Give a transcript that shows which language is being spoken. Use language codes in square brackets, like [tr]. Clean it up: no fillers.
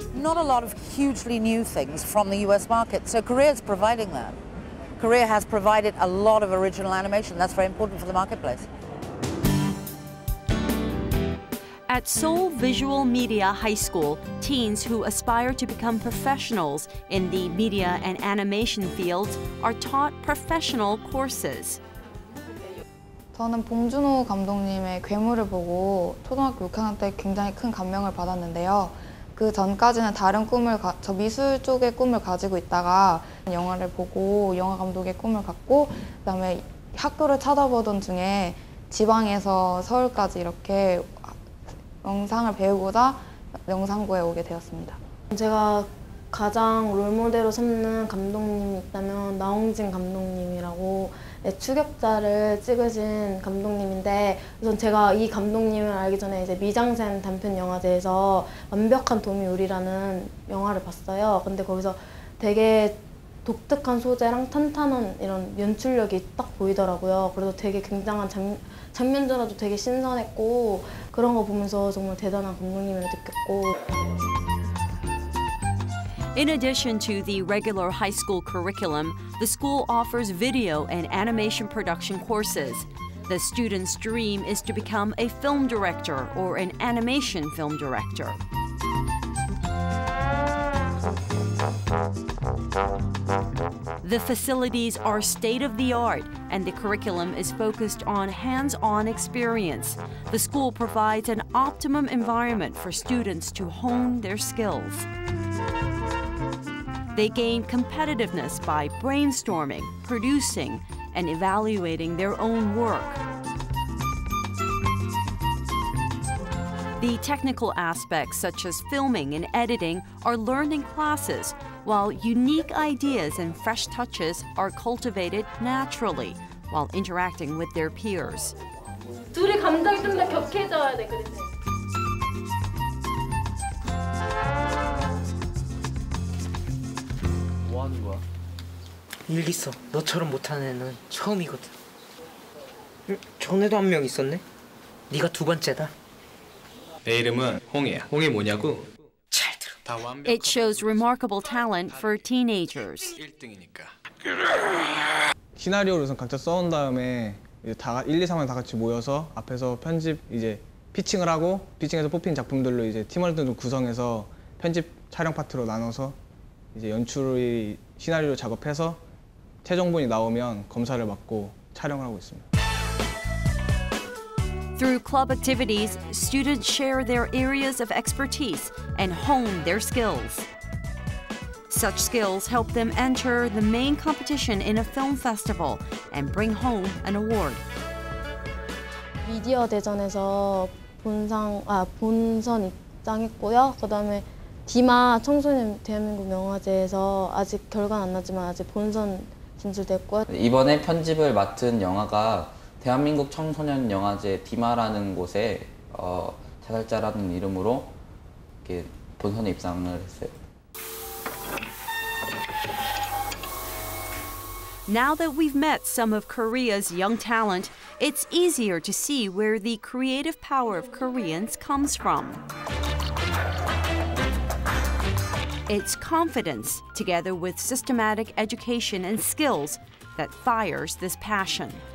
[en] Not a lot of hugely new things from the US market, so Korea's providing that. Korea has provided a lot of original animation. That's very important for the marketplace. At Seoul Visual Media High School, teens who aspire to become professionals in the media and animation fields are taught professional courses. [ko] 저는 봉준호 감독님의 괴물을 보고 초등학교 6학년 때 굉장히 큰 감명을 받았는데요. 그 전까지는 다른 꿈을 저 미술 쪽의 꿈을 가지고 있다가 영화를 보고 영화 감독의 꿈을 갖고 그다음에 학교를 찾아보던 중에 지방에서 서울까지 이렇게 영상을 배우고자 영상고에 오게 되었습니다. 제가 가장 롤모델로 삼는 감독님이 있다면 나홍진 감독님이라고 추격자를 찍으신 감독님인데 우선 제가 이 감독님을 알기 전에 이제 미장센 단편 영화제에서 완벽한 도미 우리라는 영화를 봤어요. 근데 거기서 되게 독특한 소재랑 탄탄한 이런 연출력이 딱 보이더라고요. 그래서 되게 굉장한 장면조차도 되게 신선했고 그런 거 보면서 정말 대단한 감독님을 느꼈고. [en] In addition to the regular high school curriculum, the school offers video and animation production courses. The student's dream is to become a film director or an animation film director. The facilities are state-of-the-art, and the curriculum is focused on hands-on experience. The school provides an optimum environment for students to hone their skills. They gain competitiveness by brainstorming, producing, and evaluating their own work. The technical aspects, such as filming and editing, are learned in classes, while unique ideas and fresh touches are cultivated naturally while interacting with their peers. [ko] 둘이 감정이 좀 더 격해져야 돼, 그렇지? [en] Why? [ko] 일기 써. 너처럼 못하는 애는 처음이거든. 전에도 한 명 있었네. 네가 두 번째다. 내 이름은 홍이야. 홍이 뭐냐고? 잘 들어. [en] It shows remarkable talent for teenagers. [ko] 1등이니까. 시나리오를 우선 각자 써온 다음에 이제 다 1, 2, 3명 다 같이 모여서 앞에서 편집 이제 피칭을 하고 피칭에서 뽑힌 작품들로 이제 팀원들 좀 구성해서 편집 촬영 파트로 나눠서 이제 연출의 시나리오 작업해서 최종본이 나오면 검사를 받고 촬영을 하고 있습니다. [en] Through club activities, students share their areas of expertise and hone their skills. Such skills help them enter the main competition in a film festival and bring home an award. [ko] 미디어 대전에서 본선 입상했고요. 그다음에 디마 청소년 대한민국 영화제에서 아직 결과는 안 났지만 아직 본선 진출됐고 이번에 편집을 맡은 영화가 대한민국 청소년 영화제 디마라는 곳에 자살자라는 이름으로 이렇게 본선에 입상을 했어요. [en] Now that we've met some of Korea's young talent, it's easier to see where the creative power of Koreans comes from. It's confidence, together with systematic education and skills, that fires this passion.